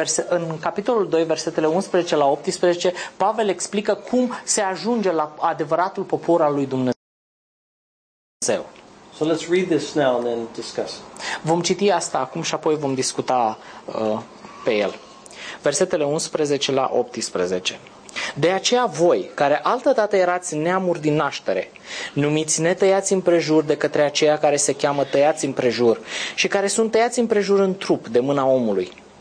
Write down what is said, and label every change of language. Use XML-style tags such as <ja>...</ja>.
<ro>În capitolul 2, versetele 11 la 18, Pavel explică cum se ajunge la adevăratul popor al lui Dumnezeu.</ro> <en>So let's read this now and then discuss.</en> <ro>Vom citi asta acum și apoi vom discuta pe el. Versetele 11 la 18. De aceea voi, care altădată erați neamuri din naștere, numiți netăiați împrejur de către aceia care se cheamă tăiați împrejur și care sunt tăiați împrejur în trup de mâna omului.</ro>